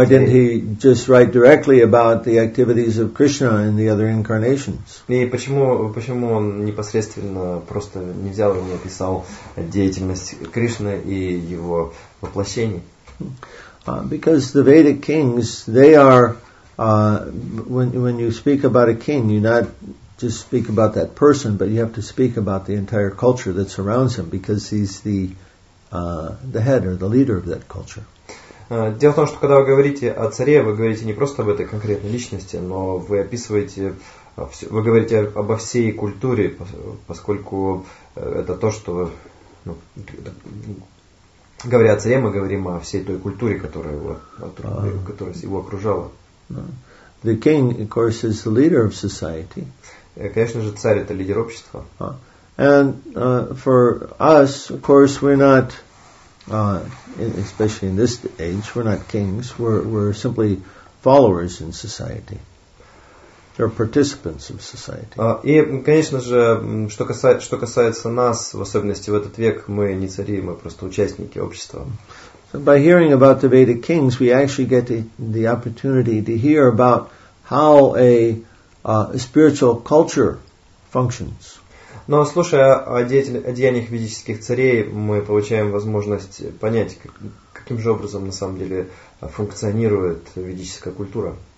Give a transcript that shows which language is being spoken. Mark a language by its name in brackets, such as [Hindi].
[Russian] царей? [English] Why didn't he just write directly about the activities of Krishna in the other incarnations? [Russian] И почему он непосредственно просто не взял и не описал деятельность Кришны и его воплощений? [English] Because the Vedic kings, they are, when you speak about a king, you not just speak about that person, but you have to speak about the entire culture that surrounds him, because he's the head or the leader of that culture. [Russian] Дело в том, что когда вы говорите о царе, вы говорите не просто об этой конкретной личности, но вы описываете, вы говорите обо всей культуре, поскольку это то, что... Говоря о царе, мы говорим о всей той культуре, которая его окружала. [English] The king, of course, is the leader of society. [Russian] Конечно же, царь – это лидер общества. [English] And for us, of course, we're not, especially in this age, we're not kings, we're simply followers in society. Or participants of society. [Russian] И, конечно же, что касается нас, в особенности в этот век, мы не цари, мы просто участники общества. [English] So by hearing about the Vedic kings, we actually get the opportunity to hear about how a spiritual culture functions. [Russian] Но слушая о деяниях ведических царей, мы получаем возможность понять, каким же образом на самом деле функционирует ведическая культура.